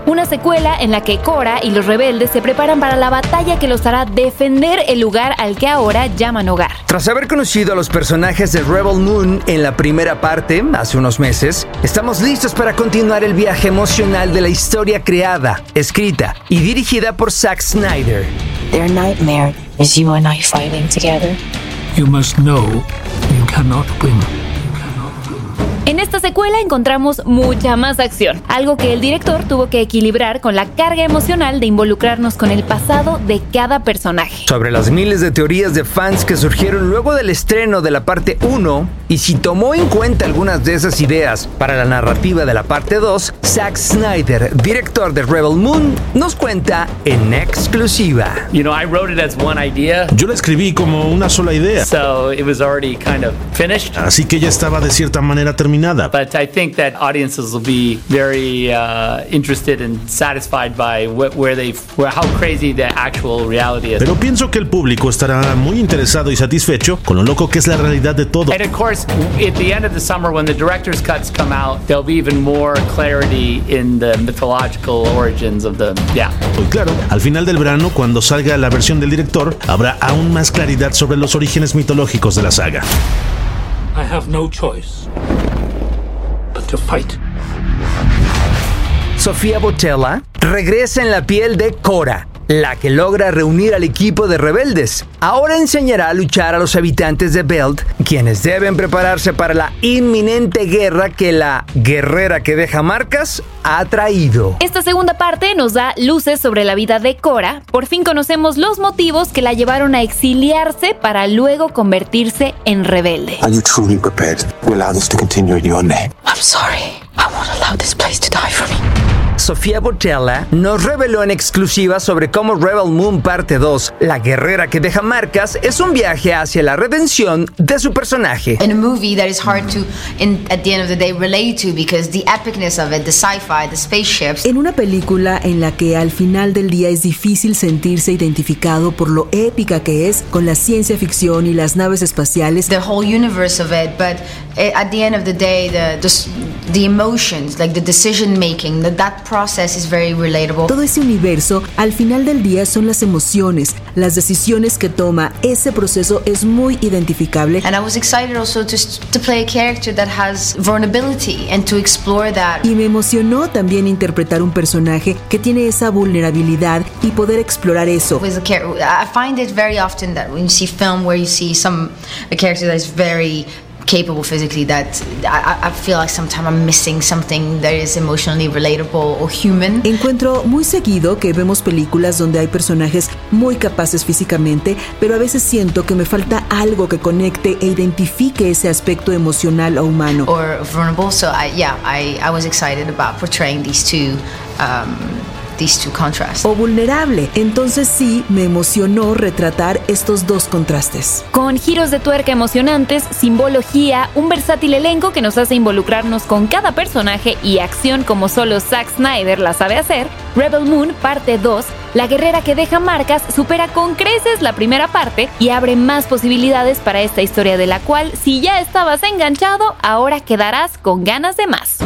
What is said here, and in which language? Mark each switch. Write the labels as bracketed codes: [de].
[es] Una secuela en la que Cora y los rebeldes se preparan para la batalla que los hará defender el lugar al que ahora llaman hogar. Tras haber conocido a los personajes de Rebel Moon en la primera parte, hace unos meses, estamos listos para continuar el viaje emocional de la historia creada, escrita y dirigida por Zack Snyder. [en] Their nightmare is you and I fighting together. You must know you cannot win. [es] esta secuela encontramos mucha más acción, algo que el director tuvo que equilibrar con la carga emocional de involucrarnos con el pasado de cada personaje. Sobre las miles de teorías de fans que surgieron luego del estreno de la parte 1, y si tomó en cuenta algunas de esas ideas para la narrativa de la parte 2, Zack Snyder, director de Rebel Moon, nos cuenta en exclusiva. [en] You know, I wrote it as one idea. [es] Yo la escribí como una sola idea. [en] So it was already kind of finished. [es] Así que ya estaba de cierta manera terminada. [en] But I think that audiences will be very interested and satisfied by how crazy the actual reality is. [es] Pero pienso que el público estará muy interesado y satisfecho con lo loco que es la realidad de todo. [en] And of course, at the end of the summer, when the director's cuts come out, there'll be even more clarity in the mythological origins of them. Yeah. [es] Pues claro, al final del verano, cuando salga la versión del director, habrá aún más claridad sobre los orígenes mitológicos de la saga. [en] I have no choice but to fight. [es] Sofía Boutella regresa en la piel de Cora, la que logra reunir al equipo de rebeldes. Ahora enseñará a luchar a los habitantes de Belt, quienes deben prepararse para la inminente guerra que la guerrera que deja marcas ha traído. Esta segunda parte nos da luces sobre la vida de Cora. Por fin conocemos los motivos que la llevaron a exiliarse para luego convertirse en rebelde. [en] Are you truly prepared to allow this to continue in your name? I'm sorry. I won't allow this place to die for me. [es] Sofía Boutella nos reveló en exclusiva sobre cómo Rebel Moon Parte 2, La guerrera que deja marcas, es un viaje hacia la redención de su personaje. [en] In a movie that is hard to at the end of the day relate to because the epicness of it, the sci-fi, the spaceships. [es] En una película en la que al final del día es difícil sentirse identificado por lo épica que es con la ciencia ficción y las naves espaciales. [en] The whole universe of it, but at the end of the day the emotions, like the decision making, that process is very relatable. [es] Todo ese universo, al final del día, son las emociones, las decisiones que toma. Ese proceso es muy identificable. [en] And I was excited also to play a character that has vulnerability and to explore that. [es] Y me emocionó también interpretar un personaje que tiene esa vulnerabilidad y poder explorar eso. [en] I find it very often that when you see film where you see a character that is very capable physically, that I feel like sometimes I'm missing something that is emotionally relatable or human. [es] Encuentro muy seguido que vemos películas donde hay personajes muy capaces físicamente, pero a veces siento que me falta algo que conecte e identifique ese aspecto emocional o humano. [en] Or vulnerable, so I was excited about portraying these two contrasts. [es] O vulnerable. Entonces sí, me emocionó retratar estos dos contrastes. Con giros de tuerca emocionantes, simbología, un versátil elenco que nos hace involucrarnos con cada personaje y acción como solo Zack Snyder la sabe hacer, Rebel Moon Parte 2, La guerrera que deja marcas, supera con creces la primera parte y abre más posibilidades para esta historia de la cual, si ya estabas enganchado, ahora quedarás con ganas de más.